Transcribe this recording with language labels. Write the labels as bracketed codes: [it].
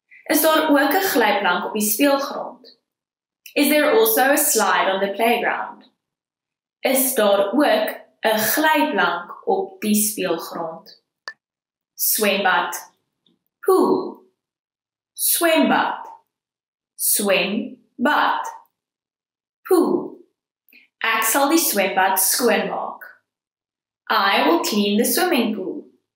[af] Is daar ook 'n glyplank op die speelgrond? [en] Is there also a slide on the playground? [af] Is daar ook 'n glyplank op die speelgrond? Swembad. Pool. Swembad. Swembad. Pool. Ek sal die swembad skoonmaak. I will clean the swimming pool.